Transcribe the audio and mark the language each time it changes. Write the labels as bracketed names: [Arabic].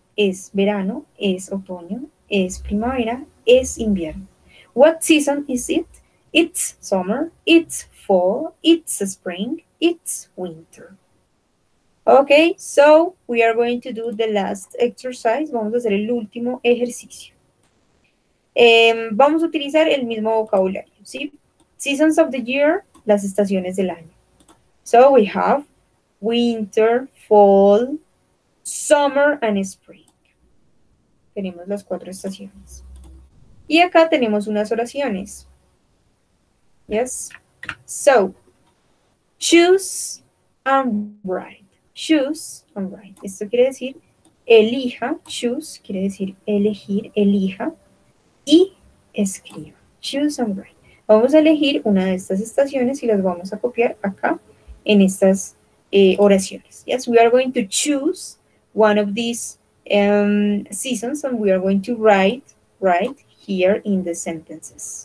[Spanish] Es verano, es otoño, es primavera, es invierno. [English] What season is it? It's summer, it's fall, it's spring, it's winter. Okay, so we are going to do the last exercise. [Spanish] Vamos a hacer el último ejercicio. Vamos a utilizar el mismo vocabulario, ¿sí? [English] Seasons of the year, [Spanish] las estaciones del año. [English] So we have winter, fall, summer and spring. [Spanish] Tenemos las cuatro estaciones. Y acá tenemos unas oraciones. Yes. [English] So, choose and write. Choose and write. [Spanish] Esto quiere decir elija. Choose quiere decir elegir, elija y escriba. [English] Choose and write. [Spanish] Vamos a elegir una de estas estaciones y las vamos a copiar acá en estas oraciones. [English] Yes, we are going to choose one of these seasons and we are going to write here in the sentences.